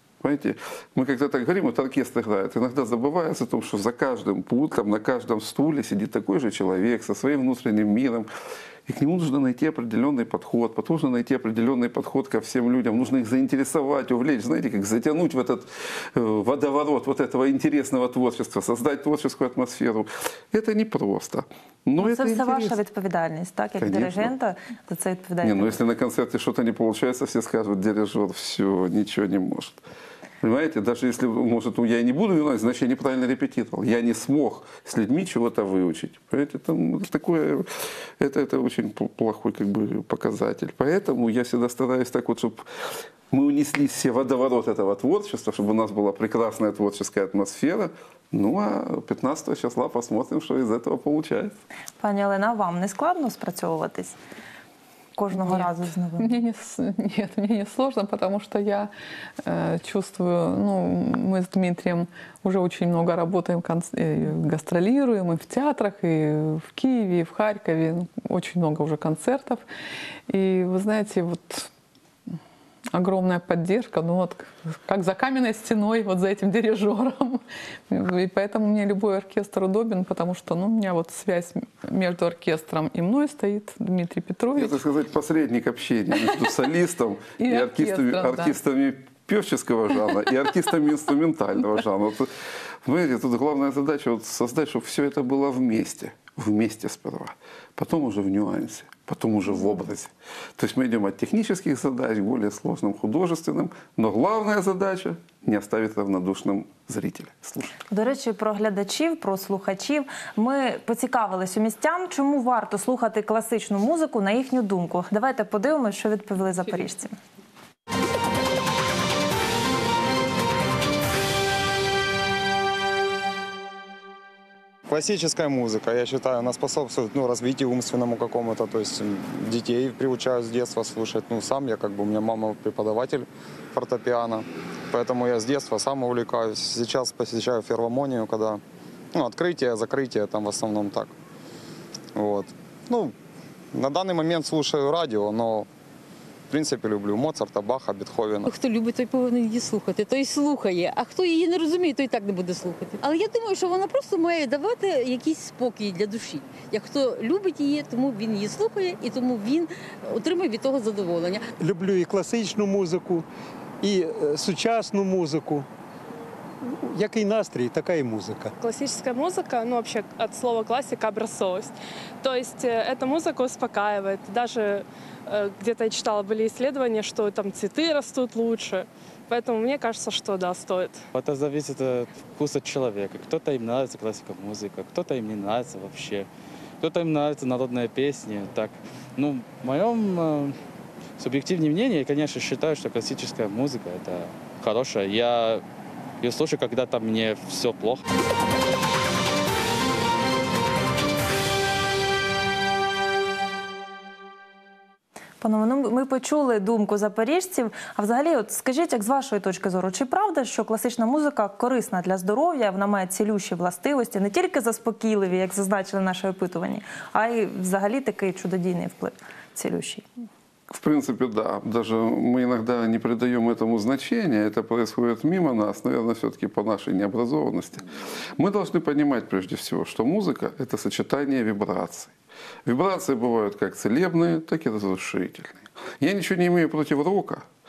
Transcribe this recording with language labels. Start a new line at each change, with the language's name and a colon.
Russian: Понимаете, мы когда так говорим, вот оркестр играет, иногда забывается о том, что за каждым пультом, на каждом стуле сидит такой же человек со своим внутренним миром. И к нему нужно найти определенный подход, потом нужно найти определенный подход ко всем людям, нужно их заинтересовать, увлечь, знаете, как затянуть в этот водоворот вот этого интересного творчества, создать творческую атмосферу. Это непросто. Но это
Ukrainian: вся ваша відповідальність, так? Як дирижента, то це відповідальність. Ні, ну якщо на концерті щось не виходить, всі скажуть, дирижер, все, нічого не може.
Russian: Понимаете, даже если, может, я и не буду виноват, значит, я неправильно репетировал. Я не смог с людьми чего-то выучить. Понимаете, там такое, это очень плохой как бы, показатель. Поэтому я всегда стараюсь так вот, чтобы мы унесли все водоворот этого творчества, чтобы у нас была прекрасная творческая атмосфера. Ну, а 15-го числа посмотрим, что из этого получается.
Ukrainian: Пані Олена, вам не складно спрацьовуватись? Кожного разу з новим. Мені не
Russian: сложно,
Ukrainian: тому що я
Russian: чувствую,
Ukrainian: ну, ми з Дмитрием уже дуже багато працюємо, гастролюємо і в театрах, і в Києві, і в Харкові, дуже багато вже концертів. І ви знаєте,
Russian: вот огромная поддержка, ну вот как за каменной стеной, вот за этим дирижером. И поэтому мне любой оркестр удобен, потому что ну, у меня вот связь между оркестром и мной стоит, Дмитрий Петрович. Это, так сказать, посредник общения между солистом и артистами певческого жанра и артистами инструментального жанра. Понимаете, тут главная задача создать, чтобы все это было вместе. Вместе сперва, потом уже в нюансе, потом уже в образе. То есть мы идем от технических задач к более сложным, художественным. Но главная задача – не оставить равнодушным зрителя. Слушай.
Ukrainian: До речі, про глядачів, про слухачів. Ми поцікавились у містян, чому варто слухати класичну музику, на їхню думку. Давайте подивимося, що відповіли запоріжці.
Russian: Классическая музыка, я считаю, она способствует ну, развитию умственному какому-то, то есть детей приучают с детства слушать. Ну, сам я, как бы, у меня мама преподаватель фортепиано, поэтому я с детства сам увлекаюсь. Сейчас посещаю филармонию, когда, ну, открытие, закрытие, там, в основном так. Вот. Ну, на данный момент слушаю радио, но, в принципе, люблю Моцарта, Баха, Бетховена.
Ukrainian: Хто любить, той повинен її слухати, той слухає. А хто її не розуміє, той так не буде слухати. Але я думаю, що вона просто має давати якийсь спокій для душі. Як хто любить її, тому він її слухає і тому він отримує від того задоволення. Люблю і класичну музику, і сучасну музику. Який настрій, така і музика. Класична музика, ну, взагалі, від слова класика – образовість. Тобто, ця музика успокаює, навіть
Russian: где-то я читала, были исследования, что там цветы растут лучше. Поэтому мне кажется, что да, стоит. Это зависит от вкуса человека. Кто-то им нравится классика музыка, кто-то им не нравится вообще. Кто-то им нравятся народные песни. Так, ну, в моем субъективном мнении, я, конечно, считаю, что классическая музыка – это хорошая. Я ее слушаю, когда там мне все плохо.
Ukrainian: Панове, ну ми почули думку запоріжців. А взагалі, от скажіть, як з вашої точки зору, чи правда, що класична музика корисна для здоров'я, вона має цілющі властивості, не тільки заспокійливі, як зазначили наші опитування, а й взагалі такий чудодійний вплив цілющий?
Russian: В принципе, да. Даже мы иногда не придаем этому значения. Это происходит мимо нас, наверное, все-таки по нашей необразованности. Мы должны понимать, прежде всего, что музыка – это сочетание вибраций. Вибрации бывают как целебные, так и разрушительные. Я ничего не имею против рока,